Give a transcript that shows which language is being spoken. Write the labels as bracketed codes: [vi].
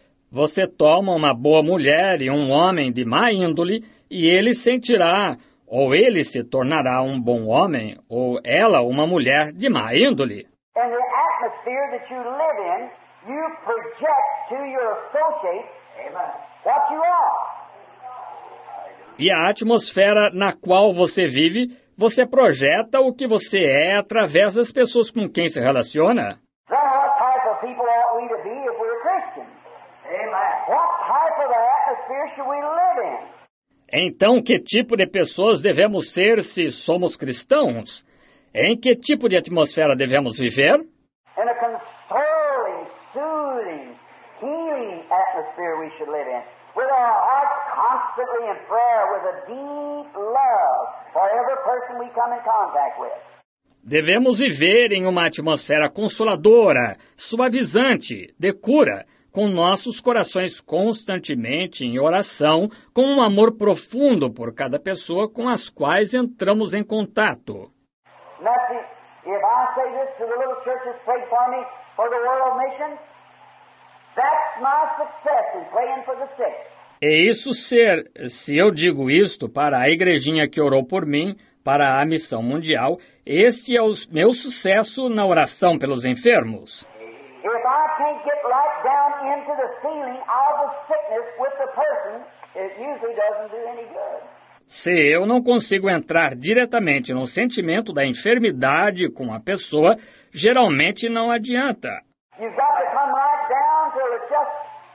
[pt] Você toma uma boa mulher e um homem de má índole e ele sentirá ou ele se tornará um bom homem, ou ela uma mulher de má índole. [en] And the atmosphere that you live in, you project to your associates what you are. [pt] E a atmosfera na qual você vive, você projeta o que você é através das pessoas com quem se relaciona. [en] Then what type of people ought we to be if we're Christians? Amen. What type of atmosphere should we live in? [pt] Então, que tipo de pessoas devemos ser se somos cristãos? Em que tipo de atmosfera devemos viver? [en] In a consoling, soothing, healing atmosphere we should live in. With our hearts constantly in prayer, with a deep love for every person we come in contact with. [pt] Devemos viver em uma atmosfera consoladora, suavizante, de cura, com nossos corações constantemente em oração, com um amor profundo por cada pessoa com as quais entramos em contato. [en] Matthew, if I say this to the little churches pray for me for the world mission, that's my success in praying for the sick. [pt] E isso ser, se eu digo isto para a igrejinha que orou por mim, para a missão mundial, esse é o meu sucesso na oração pelos enfermos. [en] If I can't get right down into the feeling of the sickness with the person, it usually doesn't do any good. [pt] Se eu não consigo entrar diretamente no sentimento da enfermidade com a pessoa, geralmente não adianta. [en] You've got to come right down till it's just...